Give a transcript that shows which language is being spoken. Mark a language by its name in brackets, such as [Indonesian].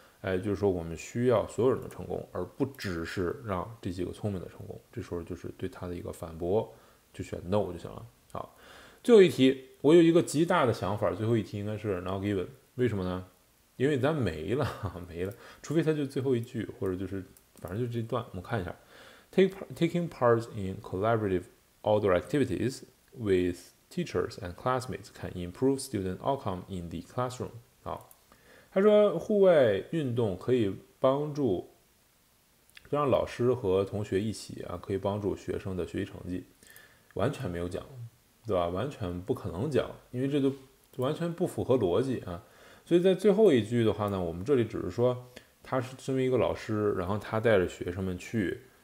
[Chinese] 哎，就是说我们需要所有人的成功，而不只是让这几个聪明的成功。这时候就是对他的一个反驳，就选 no 就行了。好，最后一题，我有一个极大的想法，最后一题应该是 not given，为什么呢？因为咱没了，没了，除非他就最后一句，或者就是反正就这一段，我们看一下。 [English] Taking part in collaborative outdoor activities with teachers and classmates can improve student outcome in the classroom。 [Chinese] 好，他说户外运动可以帮助让老师和同学一起啊，可以帮助学生的学习成绩，完全没有讲，对吧？完全不可能讲，因为这都完全不符合逻辑啊。所以在最后一句的话呢，我们这里只是说他是身为一个老师，然后他带着学生们去。